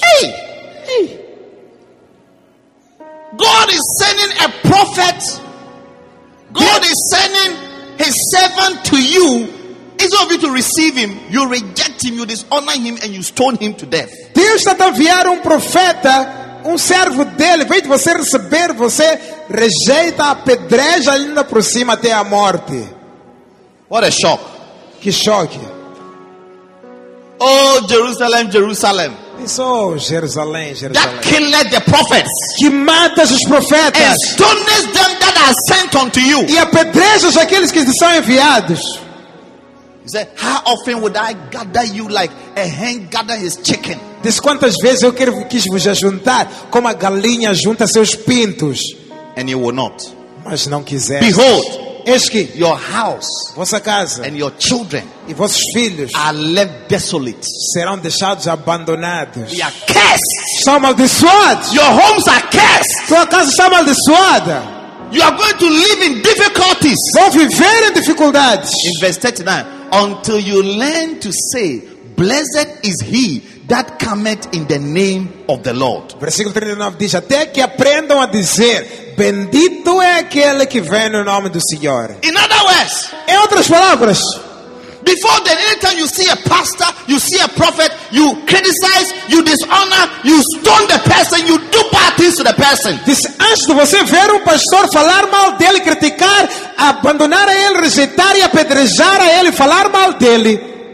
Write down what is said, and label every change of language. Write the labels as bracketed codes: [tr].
[en] Hey! God is sending a prophet. God is sending his servant to you. Instead of you to receive him, you reject him, you dishonor him, and you stone him to death. [pt] Deus está a enviar um profeta. Um servo dele, veio de você receber, você rejeita, apedreja ainda por cima até a morte. [en] What a shock. [pt] Que choque. [en] Oh, Jerusalem, Jerusalem. [pt] Isso, oh, Jerusalém, Jerusalém. [en] That killed the prophets. [pt] Que mata os profetas. [en] And stones them that are sent unto you. [pt] E apedreja aqueles que te são enviados. [en] He said, how often would I gather you like a hen gather his chicken? [pt] Diz, quantas vezes eu quis vos juntar como a galinha junta seus pintos. [en] And you will not. [pt] Mas não quiseres. [en] Behold, [pt] eis que [en] your house, [pt] vossa casa, [en] and your children, [pt] e vossos filhos, [en] are left desolate. [pt] Serão deixados abandonados. [en] They are cursed. [pt] São amaldiçoados. [en] Your homes are cursed. [pt] Sua casa está amaldiçoada. [en] You are going to live in difficulties. [pt] Vão viver em dificuldades. [en] In verse 39, until you learn to say, blessed is he that cometh in the name of the Lord. [pt] Versículo 39 diz, até que aprendam a dizer, bendito é aquele que vem no nome do Senhor. [en] In other words, [pt] em outras palavras, [en] before then, anytime you see a pastor, you see a prophet, you criticize, you dishonor, you stone the person, you do bad things to the person. [pt] Diz, antes de você ver pastor falar mal dele, criticar, abandonar a ele, rejeitar e apedrejar a ele, falar mal dele.